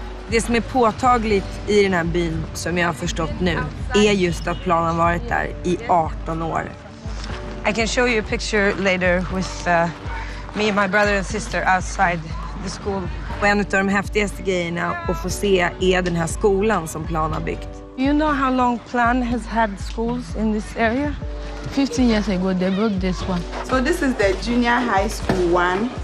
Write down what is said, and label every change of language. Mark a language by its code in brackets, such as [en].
[sv] Det som är påtagligt i den här byn, som jag har förstått nu, är just att planen varit där i 18 år. [en] I can show you a picture later with me and my brother and sister outside the school. [sv] Och en av de häftigaste grejerna att få se är den här skolan som planen har byggt. [en] You know how long Plan has had schools in this area? 15 years ago, they built this one. So this is the junior high school one.